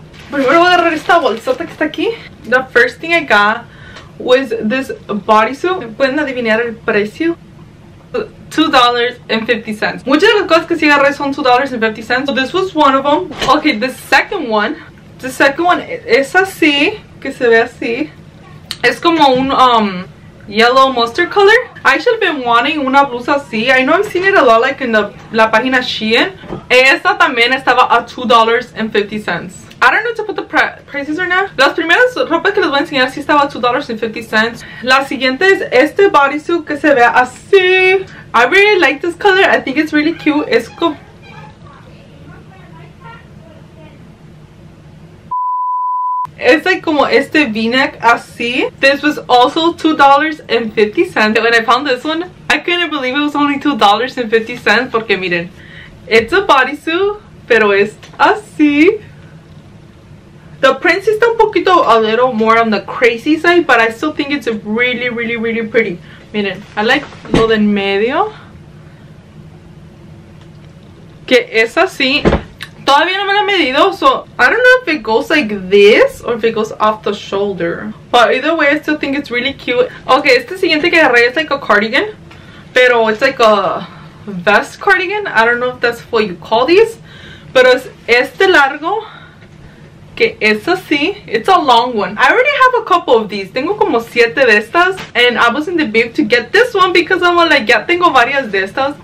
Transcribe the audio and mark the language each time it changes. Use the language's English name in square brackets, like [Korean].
[Spanish] Primero voy a agarrar esta bolsota que está aquí. [English] The first thing I got was this bodysuit. [Spanish] ¿Pueden adivinar el precio? $2.50. Muchas de las cosas que sí agarré son $2.50. [English] So, this was one of them. Okay, the second one es así, que se ve así. Es como un yellow mustard color. I should have been wanting una blusa así. I know I've seen it a lot, like in the la página Shein. Esta también estaba a $2.50. I don't know to put the prices or not. [Spanish] Las primeras ropas que les voy a enseñar sí estaba a $2.50. La siguiente es este bodysuit que se ve así. [English] I really like this color. I think it's really cute. Es como... It's like como este v-neck así. This was also $2.50. When I found this one, I couldn't believe it was only $2.50. [Spanish] Porque miren, it's a bodysuit, pero es así. [English] The print is a little more on the crazy side, but I still think it's really, really, really pretty. [Spanish] Miren, I like lo del medio. [English] Que es así. Todavía no me la he medido, so I don't know if it goes like this or if it goes off the shoulder. But either way, I still think it's really cute. [Spanish] Okay, este siguiente que agarré es like a cardigan. [English] Pero it's like a vest cardigan. I don't know if that's what you call these. [Spanish] Pero es este largo. Que es así. It's a long one. [English] I already have a couple of these. Tengo como 7 de estas. And I was in the mood to get this one because I'm like, ya tengo varias de estas.